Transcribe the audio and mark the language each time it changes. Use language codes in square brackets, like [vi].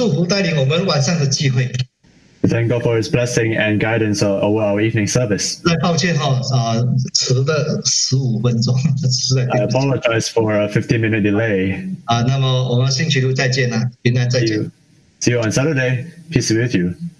[zh] 感谢主，阿门。感谢主祝福带领我们晚上的聚会。 [en] Thank God for His blessing and guidance over our evening service. [zh] 抱歉哈，迟了15分钟，实在。 [en] I apologize for a 15-minute delay. [zh] 那么我们星期六再见啦，平安再见。 [en] See you on Saturday. Peace be with you.